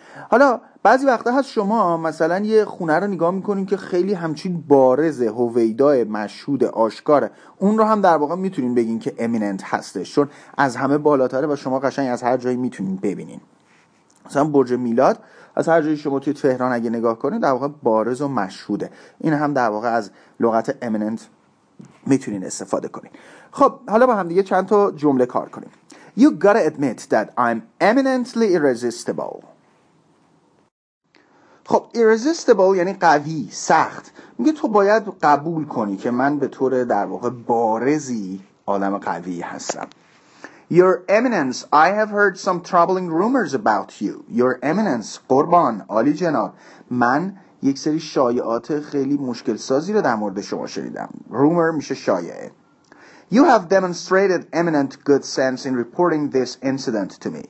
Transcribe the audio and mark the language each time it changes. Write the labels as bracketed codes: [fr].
[fa] حالا بعضی وقتا هست شما مثلا یه خونه رو نگاه میکنین که خیلی همچین بارز، هویدای، مشهود، آشکاره، اون رو هم در واقع میتونین بگین که امیننت هستش، چون از همه بالاتره و شما قشنگ از هر جایی میتونین ببینین. مثلا برج میلاد از هر جایی شما توی تهران اگه نگاه کنین در واقع بارز و مشهوده. این هم در واقع از لغت امیننت میتونین استفاده کنین. خب حالا با هم دیگه چند تا جمله کار کنیم. [en] You gotta admit that I'm eminently irresistible. [fa] خب irresistible یعنی قوی، سخت. میگه تو باید قبول کنی که من به طور در واقع بارزی آدم قوی هستم. [en] Your eminence, I have heard some troubling rumors about you. Your eminence, [fa] قربان، عالی جناب، من یک سری شایعات خیلی مشکل سازی رو در مورد شما شنیدم. Rumor میشه شایعه. [en] You have demonstrated eminent good sense in reporting this incident to me.